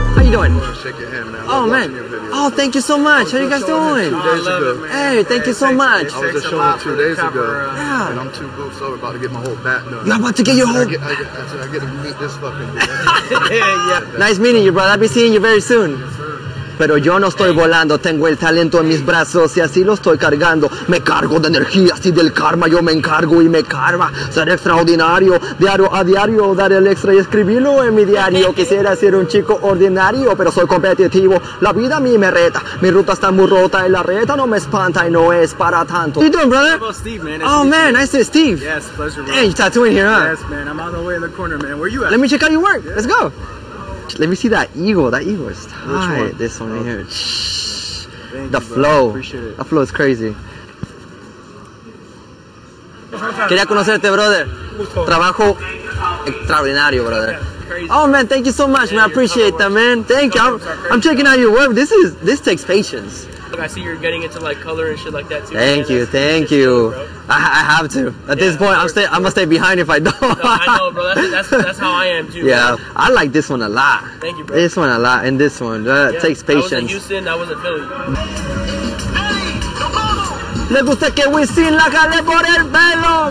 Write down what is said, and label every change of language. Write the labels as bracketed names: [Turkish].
[English] Oh, thank you so much. How are you guys doing? 2 days ago. Hey, thank you so much. I was just showing 2 days ago. Yeah. And I'm 2 boots over, about to get my whole bat done. You're about to get your whole... I get to meet this fucking guy. Yeah. Nice meeting you, brother. I'll be seeing you very soon. [Spanish] Pero yo no estoy volando, tengo el talento en mis brazos y así lo estoy cargando. Me cargo de energía, así del karma yo me encargo y me karma. Ser extraordinario, diario a diario, dar el extra y escribirlo en mi diario. Quisiera ser un chico ordinario, pero soy competitivo. La vida a mí me reta, mi ruta está muy rota y la reta no me espanta y no es para tanto. ¿Qué tal, brother? [English] How about Steve, man? Oh, man, nice to see Steve. Yes, pleasure, man. Hey, you're tattooing here, huh? Yes, man, I'm on the way in the corner, man. Where you at? Let me check out your work. Yeah. Let's go. Let me see that eagle. That eagle is tight. Which one? This one right here. Thank the you, flow. Appreciate it. The flow is crazy. [Spanish] Quería conocerte, brother. Trabajo extraordinario, brother. [English] Yeah, oh man, thank you so much, man. I appreciate that, man. Thank you. I'm checking out your work. This takes patience. I see you're getting into like color and shit like that too. Thank you, thank you. I have to. At this point, I'm gonna stay behind if I don't. No, I know, bro. That's how I am too. Yeah, bro. I like this one a lot. Thank you, bro. This one a lot, and this one takes patience. I was in Houston. I was in Philly. [Spanish] Le gusta que Wisin la jale por el pelo.